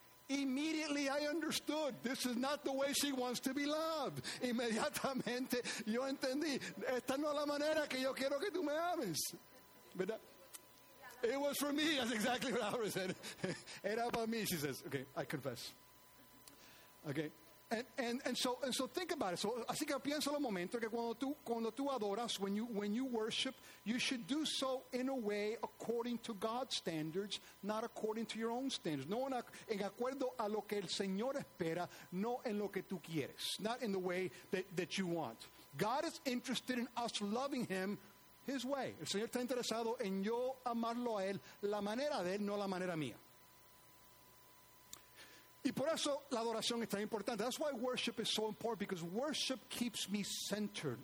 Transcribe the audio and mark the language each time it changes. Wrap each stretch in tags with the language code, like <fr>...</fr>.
<en>Immediately I understood, this is not the way she wants to be loved.</en> <es>Inmediatamente yo entendí, esta no es la manera que yo quiero que tú me ames. ¿Verdad?</es> <en>It was for me, that's exactly what I was saying.</en> <es>Era para mí,</es> <en>she says. Okay, I confess. Okay. And so think about it. So,</en> <es>así que piénsalo un momento, que cuando tú adoras,</es> <en>when you worship, you should do so in a way according to God's standards, not according to your own standards.</en> <es>No, en acuerdo a lo que el Señor espera, no en lo que tú quieres.</es> <en>Not in the way that you want. God is interested in us loving Him His way.</en> <es>El Señor está interesado en yo amarlo a Él, la manera de Él, no la manera mía. Y por eso la adoración es tan importante.</es> <en>That's why worship is so important, because worship keeps me centered.</en>